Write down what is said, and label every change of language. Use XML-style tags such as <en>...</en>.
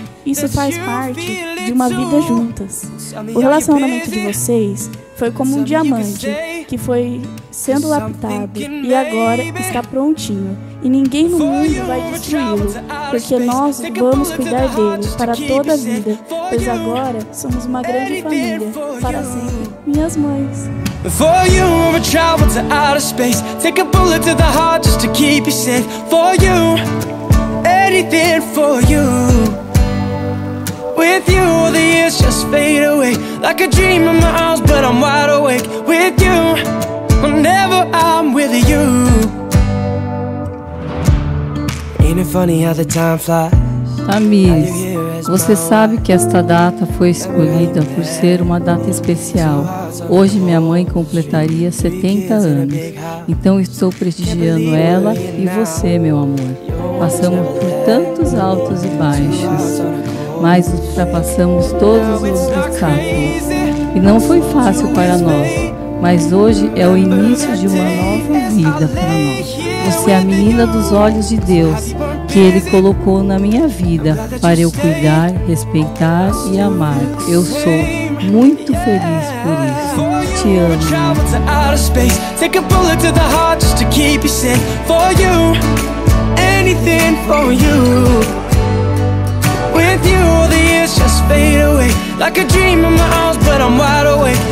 <pt>Isso faz parte de uma vida juntas. O relacionamento de vocês foi como um diamante que foi sendo lapidado e agora está prontinho. E ninguém no mundo vai destruí-lo, porque nós vamos cuidar dele para toda a vida, pois agora somos uma grande família, para sempre, minhas mães.</pt> <en>For you, I've traveled to outer space. Take a bullet to the heart just to keep you safe. For you, anything for you. With you, all the years just fade away. Like a dream in my arms, but I'm wide awake. With you, whenever I'm with you. Ain't it funny how the time flies?</en> <pt>Amis, você sabe que esta data foi escolhida por ser uma data especial. Hoje minha mãe completaria 70 anos. Então estou prestigiando ela e você, meu amor. Passamos por tantos altos e baixos, mas ultrapassamos todos os obstáculos. E não foi fácil para nós, mas hoje é o início de uma nova vida para nós. Você é a menina dos olhos de Deus, que Ele colocou na minha vida para eu cuidar, respeitar e amar. Eu sou muito feliz por isso. Te amo.</pt> <en>Take a bullet to the heart just to keep you safe. For you, anything for you. With you, all the years just fade away. Like a dream in my arms, but I'm wide awake.</en>